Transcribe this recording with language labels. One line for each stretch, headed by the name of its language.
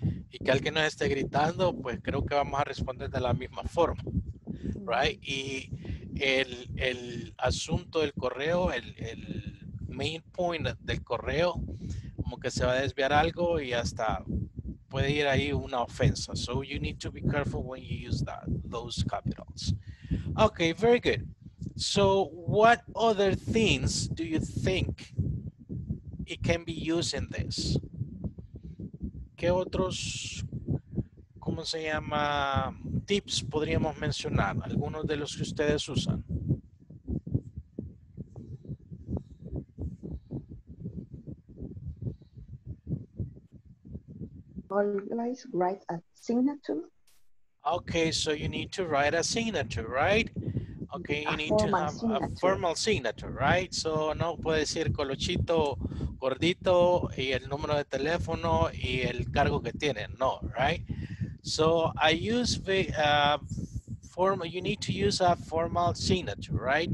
Spanish: Y que alguien nos esté gritando, pues creo que vamos a responder de la misma forma,
English: right?
Spanish: Y el asunto del correo, el main point del correo, como que se va a desviar algo y hasta puede ir ahí una ofensa.
English: So you need to be careful when you use that, those capitals. Okay, very good. So what other things do you think it can be used in this?
Spanish: ¿Qué otros, cómo se llama, tips podríamos mencionar? Algunos de los que ustedes usan.
English: Always write a signature. Okay, so you need to write a signature, right? Okay, you need to have a formal signature, right?
Spanish: So no puede decir colochito gordito y el número de teléfono y el cargo que tiene, no, right?
English: So I use the formal, you need to use a formal signature, right?